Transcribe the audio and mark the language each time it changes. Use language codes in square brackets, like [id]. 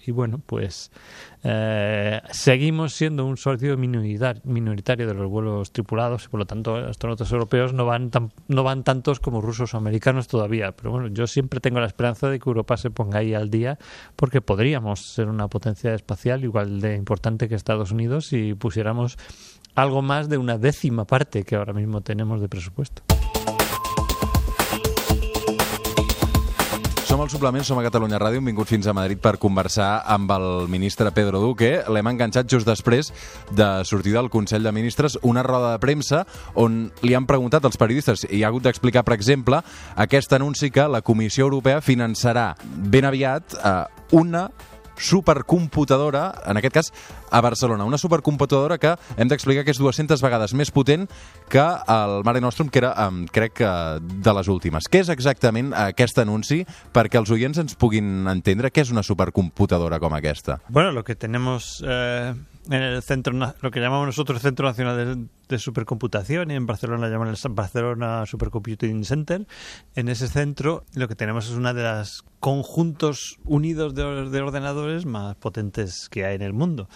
[es] Y bueno, pues seguimos siendo un socio minoritario de los vuelos tripulados, y por lo tanto astronautas europeos no van tantos como rusos o americanos todavía. Pero bueno, yo siempre tengo la esperanza de que Europa se ponga ahí al día, porque podríamos ser una potencia espacial igual de importante que Estados Unidos si pusiéramos algo más de una décima parte que ahora mismo tenemos de presupuesto. [ca] Som al Suplement, som a Catalunya Ràdio, hem vingut fins a Madrid per conversar amb el ministre Pedro Duque. L'hem enganxat just després de sortir del Consell de Ministres una roda de premsa on li han preguntat als periodistes, i ha hagut d'explicar, per exemple, aquest anunci que la Comissió Europea finançarà ben aviat una supercomputadora, en aquest cas a Barcelona. Una supercomputadora que hem d'explicar que és 200 vegades més potent que el Mare Nostrum, que era, crec que, de les últimes. Què és exactament aquest anunci perquè els oients ens puguin entendre què és una supercomputadora com aquesta? [es] Bueno, lo que tenemos en el centro, lo que llamamos nosotros el Centro Nacional de Supercomputación, y en Barcelona llaman el Barcelona Supercomputing Center. En ese centro lo que tenemos es una de las conjuntos unidos de ordenadores más potentes que hay en el mundo.